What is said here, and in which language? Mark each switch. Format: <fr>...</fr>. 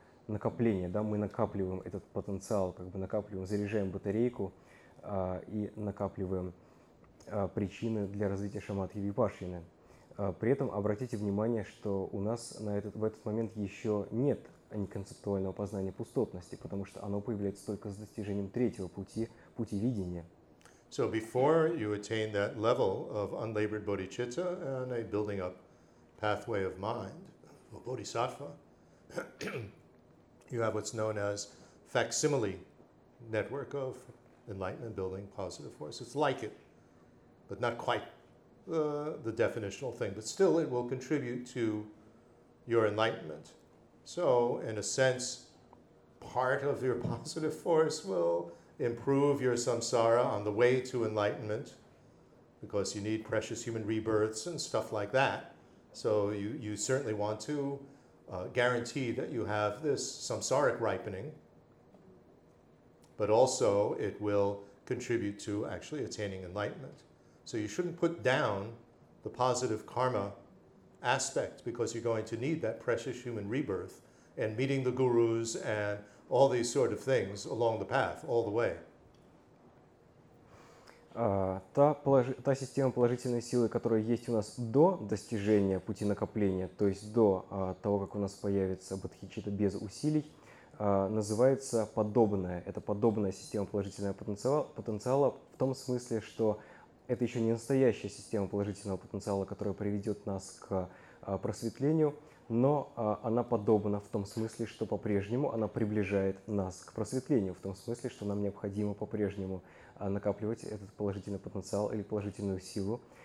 <ru>накопление, да, мы накапливаем этот потенциал, как бы накапливаем, заряжаем батарейку и накапливаем причины для развития шаматхи випашьяны. При этом обратите внимание, что у нас в этот момент еще нет неконцептуального познания пустотности, потому что оно появляется только с достижением третьего пути, пути видения.</ru> <en>So before you attain that level of unlabored bodhicitta and a building up pathway of mind, or bodhisattva, you have what's known as facsimile network of enlightenment building positive force. It's like it, but not quite the definitional thing, but still it will contribute to your enlightenment. So in a sense, part of your positive force will improve your samsara on the way to enlightenment, because you need precious human rebirths and stuff like that. So you certainly want to guarantee that you have this samsaric ripening, but also it will contribute to actually attaining enlightenment. So you shouldn't put down the positive karma aspect, because you're going to need that precious human rebirth and meeting the gurus and all these sort of things along the path, all the way.</en> <ru>Та система положительной силы, которая есть у нас до достижения пути накопления, то есть до того, как у нас появится бодхичитта без усилий, называется подобная. Это подобная система положительного потенциала в том смысле, что это еще не настоящая система положительного потенциала, которая приведет нас к просветлению, но она подобна в том смысле, что по-прежнему она приближает нас к просветлению, в том смысле, что нам необходимо по-прежнему накапливать этот положительный потенциал или положительную силу.</ru>